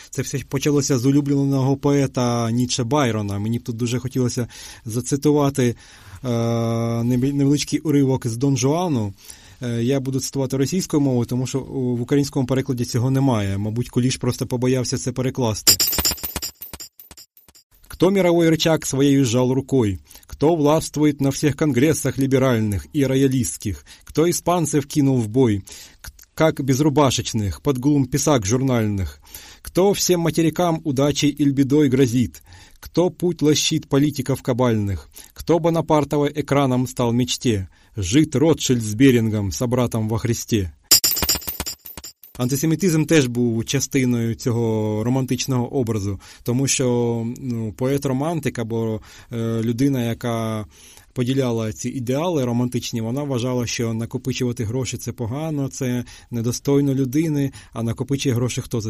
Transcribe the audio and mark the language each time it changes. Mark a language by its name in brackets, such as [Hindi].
[Ukrainian] Це все почалося з улюбленого поета Нічче Байрона. Мені б тут дуже хотілося зацитувати невеличкий уривок з «Дон Жуану». Я буду цитувати російською мовою, тому що в українському перекладі цього немає. Мабуть, Куліш просто побоявся це перекласти. [Russian] «Кто мировой рычаг своей сжал рукой? Кто властвует на всех конгрессах либеральных и роялистских? Кто испанцев кинул в бой? Как безрубашечных, под глум писак журнальных? Кто всем материкам удачей или бедой грозит? Кто путь лощит политиков кабальных? Кто Бонапартова экраном стал мечте? [Ukrainian] Жит Ротшильд з Берінгом, собратом во Христі». Антисемітизм теж був частиною цього романтичного образу, тому що поет-романтик або людина, яка поділяла ці ідеали романтичні, вона вважала, що накопичувати гроші – це погано, це недостойно людини, а накопичує гроші хто?